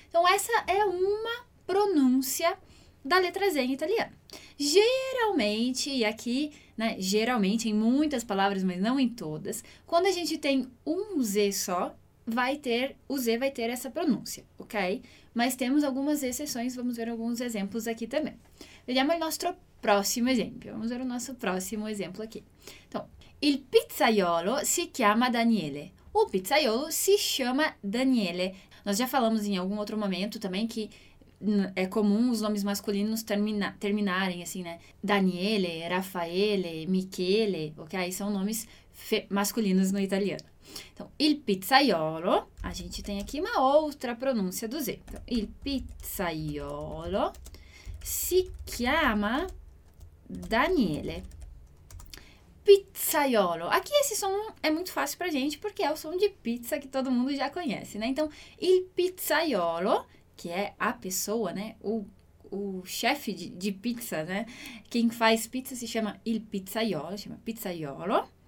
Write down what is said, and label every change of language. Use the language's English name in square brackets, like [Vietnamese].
[Portuguese] Então, essa è una pronuncia da letra Z in italiano. Geralmente, e aqui, né, geralmente, em muitas palavras, mas não em todas, quando a gente tem um Z só, o Z vai ter essa pronúncia, ok? Mas temos algumas exceções, vamos ver alguns exemplos aqui também. [Italian] Vediamo il nostro próximo exemplo. [Portuguese] Vamos ver o nosso próximo exemplo aqui. Então, [Italian] il pizzaiolo si chiama Daniele. O pizzaiolo si chiama Daniele. [Portuguese] Nós já falamos em algum outro momento também que é comum os nomes masculinos terminarem assim, né? Daniele, Raffaele, Michele, ok? São nomes masculinos no italiano. Então, [Italian] il pizzaiolo, [Portuguese] a gente tem aqui uma outra pronúncia do Z. Então, [Italian] il pizzaiolo si chiama Daniele. Pizzaiolo. [Portuguese] Aqui esse som é muito fácil pra gente porque é o som de pizza que todo mundo já conhece, né? Então, [Italian] il pizzaiolo, [Portuguese] que é a pessoa, né? O chefe de pizza, né? Quem faz pizza se chama [Italian] il pizzaiolo, [Portuguese] chama pizzaiolo.